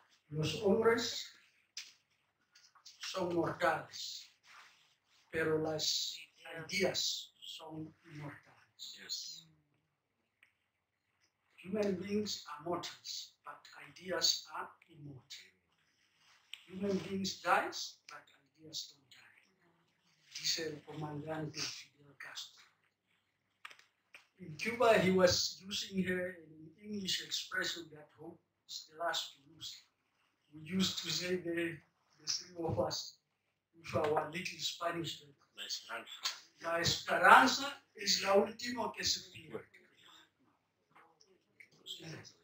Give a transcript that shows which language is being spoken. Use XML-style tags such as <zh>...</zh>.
<es>Los hombres son mortales, pero las ideas son inmortales.</es> <en>Yes. Human beings are mortals, but ideas are immortal. Human beings dies, but ideas don't die.</en> <es>Dice el comandante Fidel Castro.</es> <en>In Cuba, he was using an English expression that hope is the last to lose. We used to say the three of us with our little Spanish word.</en> <es>La esperanza. La esperanza es la última que se pierde.</es>